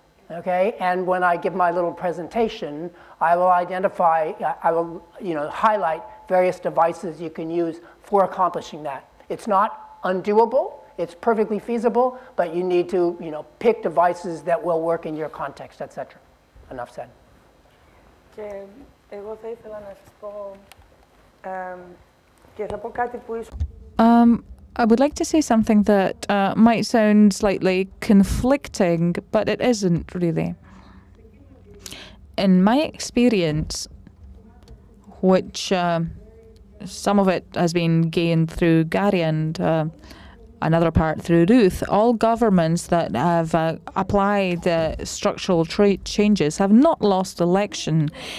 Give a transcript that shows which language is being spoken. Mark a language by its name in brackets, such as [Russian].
[English] Okay, and when I give my little presentation, I will identify, I will, you know, highlight various devices you can use for accomplishing that. It's not undoable. It's perfectly feasible, but you need to, you know, pick devices that will work in your context, etc. Enough said. [Greek] Και εγώ θα ήθελα να σας πω και θα πω κάτι που ίσως. [English] I would like to say something that might sound slightly conflicting, but it isn't really. In my experience, which some of it has been gained through Gary and another part through Ruth, all governments that have applied structural changes have not lost election.